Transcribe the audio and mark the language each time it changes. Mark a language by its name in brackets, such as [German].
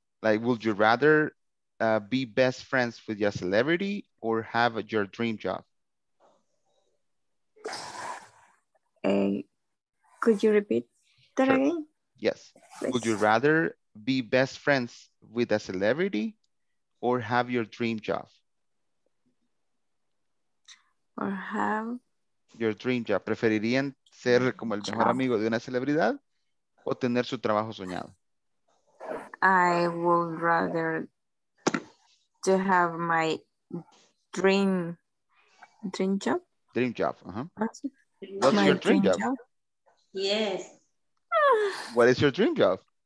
[English] Like, would you rather be best friends with your celebrity or have your dream job? Could you repeat that sure. again? Yes. Please. Would you rather be best friends with a celebrity or have your dream job? Or have your dream job? [Spanish] ¿Preferirían ser como el mejor amigo de una celebridad o tener su trabajo soñado? [English] I would rather to have my dream job. Dream job, uh-huh. What's my your dream, dream job? Yes. What is your dream job?